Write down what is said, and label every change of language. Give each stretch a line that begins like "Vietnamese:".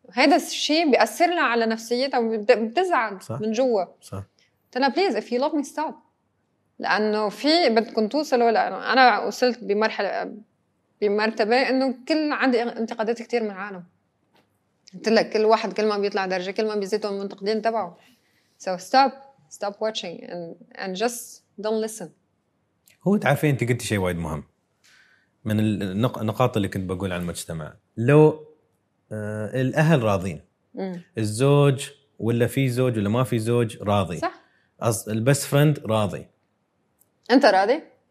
Arabic: هذا الشيء بيأثر لها على نفسيتها وبتزعل من جوا. صح. تلا بليز
English: if you love me stop،
Arabic: لأنه في بدكم توصلوا. لأنه أنا وصلت بمرحلة بمرتبة إنه كل عندي انتقادات كتير من العالم. تلا كل واحد كل ما بيطلع درجة كل ما بيزيدوا المنتقدين تبعه.
English: So stop watching and just don't listen.
Arabic: هو تعرفين انت قلت شيء وايد مهم من النقاط اللي كنت بقول عن المجتمع. لو الاهل راضين الزوج ولا في زوج ولا ما في زوج راضي. صح. البست فريند راضي، انت راضي،